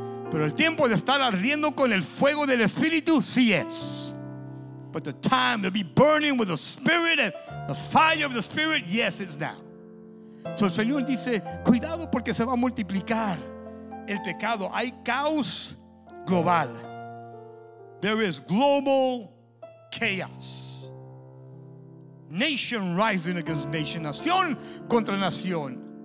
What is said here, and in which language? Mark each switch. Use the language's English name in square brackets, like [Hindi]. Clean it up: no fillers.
[Spanish] Pero el tiempo de estar ardiendo con el fuego del Espíritu sí es. [English] But the time to be burning with the Spirit and the fire of the Spirit, yes, it's now. [Spanish] So el Señor dice, cuidado porque se va a multiplicar el pecado. Hay caos global. [English] There is global chaos. Nation rising against nation. [Spanish] Nación contra nación.